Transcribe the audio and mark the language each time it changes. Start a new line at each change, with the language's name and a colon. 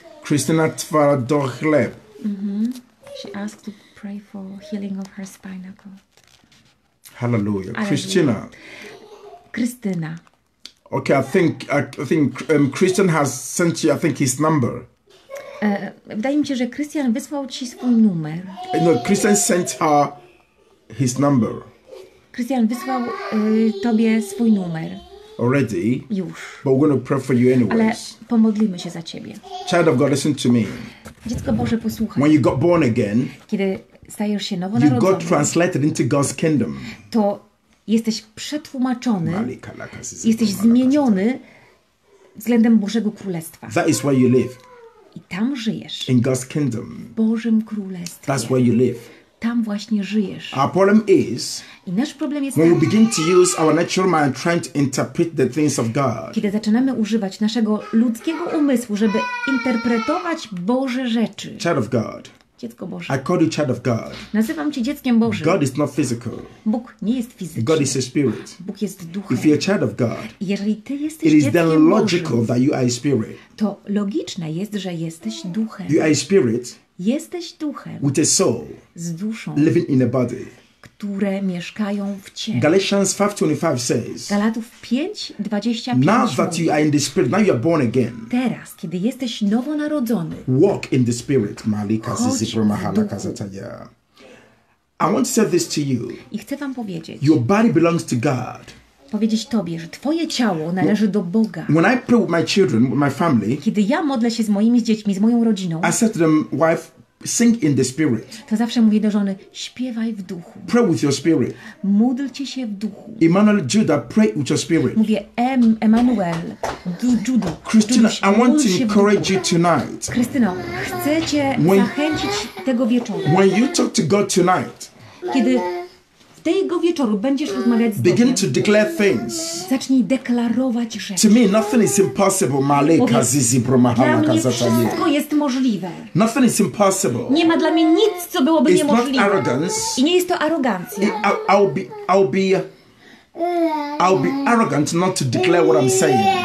Polish: Krystyna Twardochleb.
English: She asked to pray for healing of her spinal cord. Hallelujah. Krystyna. Krystyna. Okay, I think Krystyna has sent you, I think, his number.
Polish: Wydaje mi się, że Krystian wysłał ci swój numer.
English: No, Krystian sent her his number.
Polish: Krystian wysłał tobie swój numer.
English: Already?
Polish: Już.
English: But we're going to pray for you anyways.
Polish: Ale pomodlimy się za ciebie.
English: Child of God, listen to me.
Polish: Dziecko Boże, posłuchaj.
English: When you got born again,
Polish: kiedy stajesz się nowonarodzony,
English: you got translated into God's kingdom.
Polish: To jesteś przetłumaczony, jesteś zmieniony względem Bożego Królestwa.
English: That is where you live.
Polish: I tam żyjesz.
English: In God's kingdom.
Polish: W Bożym Królestwie.
English: That's where you live.
Polish: Tam właśnie żyjesz.
English: Our problem is,
Polish: i nasz problem jest
English: when we begin to use our natural mind trying to interpret the things of God.
Polish: Kiedy zaczynamy używać naszego ludzkiego umysłu, żeby interpretować Boże rzeczy.
English: Child of God.
Polish: Dziecko Boże.
English: I call you child of God.
Polish: Nazywam cię dzieckiem Bożym.
English: God is not physical.
Polish: Bóg nie jest fizyczny.
English: God is a spirit.
Polish: Bóg jest duchem.
English: If you're a child of God,
Polish: jeżeli ty jesteś
English: it is
Polish: dzieckiem
English: then logical
Polish: Bożym,
English: that you are a spirit.
Polish: To logiczne jest, że jesteś duchem.
English: You are a spirit.
Polish: Jesteś duchem.
English: With a soul.
Polish: Z duszą.
English: Living in a body.
Polish: Które mieszkają w ciele.
English: Galatians 5:25 says.
Polish: Galatów 5:25.
English: Now that you are in the spirit, now you are born again.
Polish: Teraz, kiedy jesteś nowonarodzony.
English: Walk in the spirit, Malika Zizipromahala Kazataya. I want to say this to you.
Polish: I chcę wam powiedzieć.
English: Your body belongs to God.
Polish: Powiedzieć tobie, że twoje ciało należy do Boga.
English: When I pray with my children, with my family.
Polish: Kiedy ja modlę się z moimi dziećmi, z moją rodziną.
English: I said to them, wife. Sing in the spirit.
Polish: To zawsze mówię do żony, śpiewaj w duchu.
English: Pray with your spirit.
Polish: Módlcie się w duchu.
English: Emmanuel Judah, pray with your spirit.
Polish: Mówię Emmanuel Judah.
English: Krystyna, I want to encourage you tonight.
Polish: Krystyno, chcę cię zachęcić tego wieczoru.
English: When you talk to God tonight.
Polish: Kiedy tego wieczoru będziesz rozmawiać z Bogiem.
English: Begin to declare things.
Polish: Zacznij deklarować rzeczy.
English: To me nothing is impossible, Malika Zizi Bromahala Kazatanie.
Polish: Wszystko jest możliwe.
English: Nothing is impossible.
Polish: Nie ma dla mnie nic, co byłoby
English: it's
Polish: niemożliwe.
English: It's not arrogance.
Polish: I nie jest to arogancja.
English: I'll be arrogant not to declare what I'm saying.